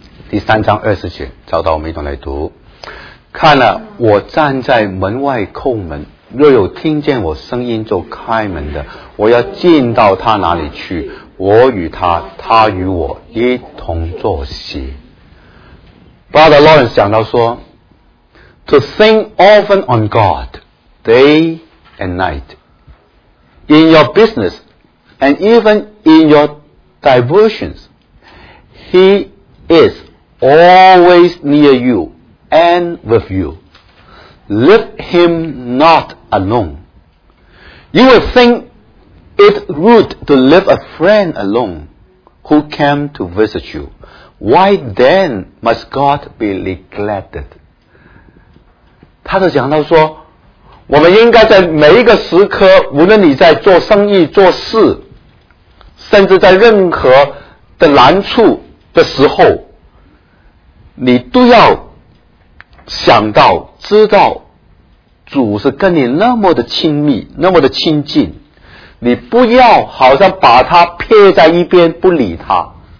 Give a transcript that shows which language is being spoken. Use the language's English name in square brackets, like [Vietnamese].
[Chinese] 第三章二十节，找到我们一同来读。看了，我站在门外叩门，若有听见我声音就开门的，我要进到他哪里去，我与他，他与我一同坐席。 [English] Brother Lawrence [Chinese] 讲到说， [English] To think often on God day and night, in your business and even in your diversions, He is always near you and with you. Leave him not alone. You will think it rude to leave a friend alone who came to visit you. Why then must God be neglected? [Chinese] 他就讲到说，我们应该在每一个时刻，无论你在做生意做事，甚至在任何的难处的时候，你都要想到知道主是跟你那么的亲密，那么的亲近，你不要好像把他撇在一边不理他。